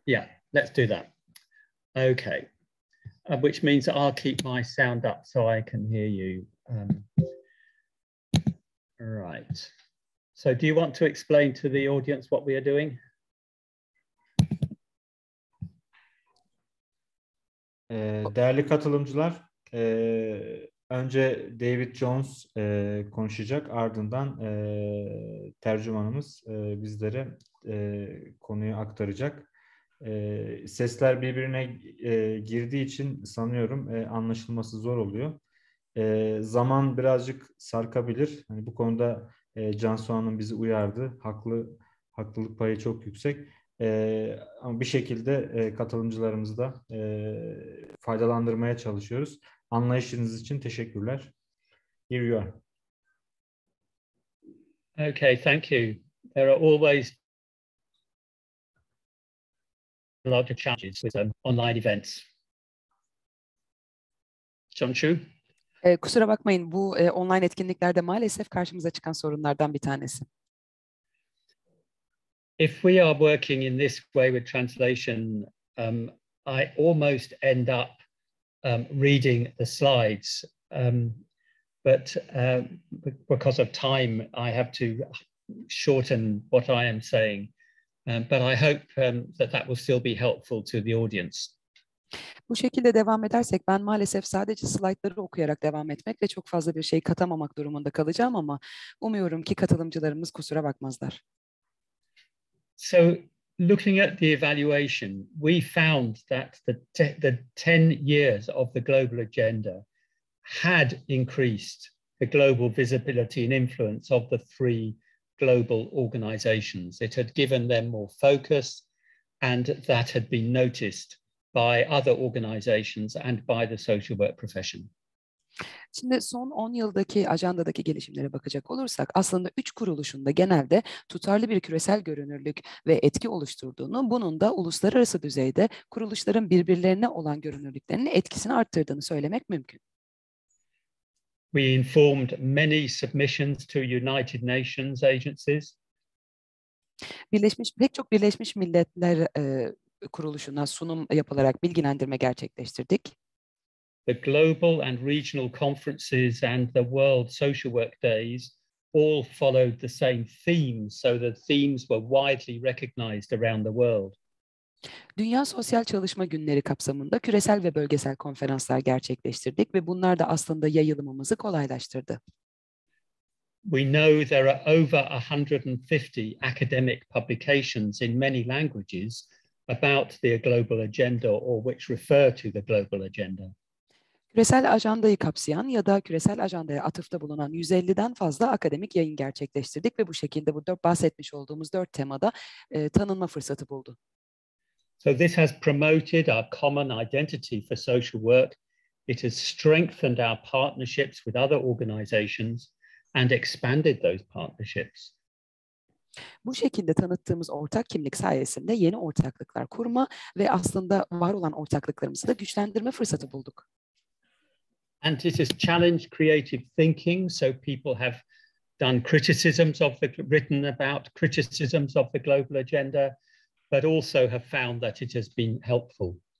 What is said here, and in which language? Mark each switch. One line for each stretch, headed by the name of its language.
English: Yeah. Let's do that. Okay. Which means that I'll keep my sound up so I can hear you. Right. So do you want to explain to the audience what we are doing?
Turkish: Değerli katılımcılar, önce David Jones konuşacak, ardından tercümanımız bizlere konuyu aktaracak. Sesler birbirine girdiği için sanıyorum anlaşılması zor oluyor. Zaman birazcık sarkabilir. Hani bu konuda Cansu Hanım bizi uyardı. Haklılık payı çok yüksek. Ama bir şekilde katılımcılarımızı da faydalandırmaya çalışıyoruz. Anlayışınız için teşekkürler.
English: Here you are. Okay, thank you. There are always a lot of challenges with online events. Cansu?
Turkish: Kusura bakmayın, bu online etkinliklerde maalesef karşımıza çıkan sorunlardan bir tanesi.
English: If we are working in this way with translation, I almost end up reading the slides. But because of time, I have to shorten what I am saying. But I hope that will still be helpful to the audience.
Turkish: Bu şekilde devam edersek ben maalesef sadece slaytları okuyarak devam etmek ve çok fazla bir şey katamamak durumunda kalacağım ama umuyorum ki katılımcılarımız kusura bakmazlar.
English: So looking at the evaluation, we found that the 10 years of the global agenda had increased the global visibility and influence of the three global organizations. It had given them more focus and that had been noticed by other organizations and by the social work profession.
Turkish: Şimdi son 10 yıldaki ajandadaki gelişimlere bakacak olursak aslında 3 kuruluşun da genelde tutarlı bir küresel görünürlük ve etki oluşturduğunu, bunun da uluslararası düzeyde kuruluşların birbirlerine olan görünürlüklerinin etkisini arttırdığını söylemek mümkün.
English: We informed many submissions to United Nations agencies.
Turkish: Pek çok Birleşmiş Milletler kuruluşuna sunum yapılarak bilgilendirme gerçekleştirdik.
English: The global and regional conferences and the World Social Work Days all followed the same theme, so the themes were widely recognized around the world.
Turkish: Dünya Sosyal Çalışma Günleri kapsamında küresel ve bölgesel konferanslar gerçekleştirdik ve bunlar da aslında yayılımımızı kolaylaştırdı.
English: We know there are over 150 academic publications in many languages about the global agenda or which refer to the global agenda.
Turkish: Küresel ajandayı kapsayan ya da küresel ajandaya atıfta bulunan 150'den fazla akademik yayın gerçekleştirdik ve bu şekilde bu bahsetmiş olduğumuz 4 temada tanınma fırsatı buldu.
English: So this has promoted our common identity for social work. It has strengthened our partnerships with other organizations and expanded those partnerships.
Turkish: Bu şekilde tanıttığımız ortak kimlik sayesinde yeni ortaklıklar kurma ve aslında var olan ortaklıklarımızı da güçlendirme fırsatı bulduk.
English: And it has challenged creative thinking, so people have done criticisms of the, written about criticisms of the global agenda, but also have found that it has been helpful.